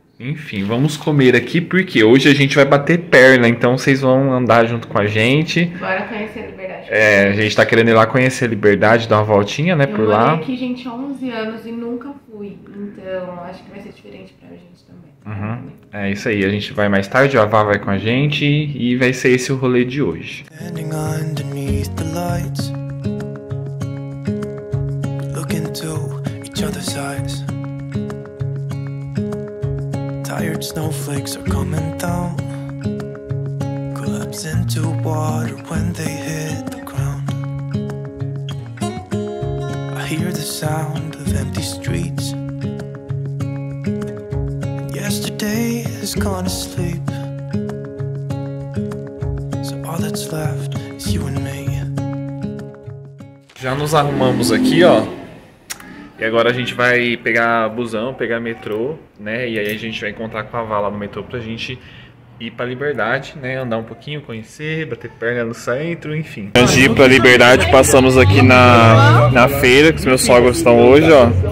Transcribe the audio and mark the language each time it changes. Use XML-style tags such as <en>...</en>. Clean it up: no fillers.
<pt>Enfim, vamos comer aqui, porque hoje a gente vai bater perna, então vocês vão andar junto com a gente. Bora conhecer a liberdade. É, a gente tá querendo ir lá conhecer a liberdade, dar uma voltinha, né, eu por lá. Eu morei aqui, gente, há 11 anos e nunca fui, então acho que vai ser diferente pra gente também. Uhum. É isso aí, a gente vai mais tarde, a Vá vai com a gente e vai ser esse o rolê de hoje.</pt> <en>Standing underneath the lights, looking to each other's eyes. Tired snowflakes are coming down, collapse into water when they hit the ground. I hear the sound of empty streets. Yesterday has gone to sleep, so all that's left is you and me.</en> <pt>Já nos arrumamos aqui, ó. E agora a gente vai pegar busão, pegar metrô, né? E aí a gente vai encontrar com a Vá lá no metrô pra gente ir pra Liberdade, né? Andar um pouquinho, conhecer, bater perna no centro, enfim. Antes de ir pra Liberdade, passamos aqui na feira, que os meus sogros estão hoje, ó.</pt>